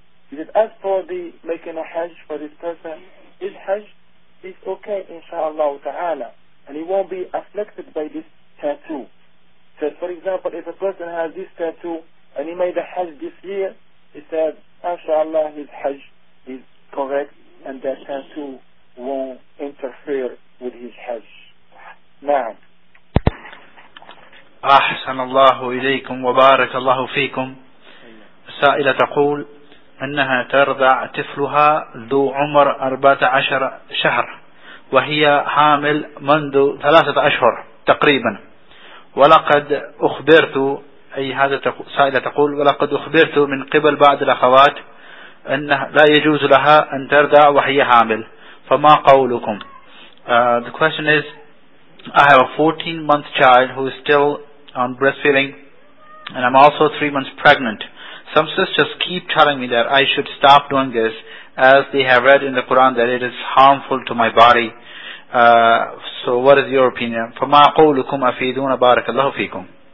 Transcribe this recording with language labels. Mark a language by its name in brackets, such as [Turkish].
[English] He said, as for the making a hajj for this person, his hajj is okay, inshallah ta'ala, and he won't be afflicted by this tattoo. So, for example, if a person has this tattoo and he made a hajj this year, he said, inshallah, his hajj is correct and that tattoo won't interfere with his hajj. [Arabic] Na'am. أحسن الله إليكم وبارك الله فيكم. سائلة تقول أنها ترضع طفلها ذو عمر 14 شهر وهي حامل منذ 3 أشهر تقريبا، ولقد أخبرت، أي هذا سائلة تقول، ولقد أخبرت من قبل بعض الأخوات أنها لا يجوز لها أن ترضع وهي حامل، فما قولكم؟ [English] The question is, I have a 14 month child who is still on breastfeeding, and I'm also 3 months pregnant. Some sisters keep telling me that I should stop doing this, as they have read in the Quran that it is harmful to my body. So what is your opinion? [Arabic] فما قولكم أفيدون بارك الله فيكم.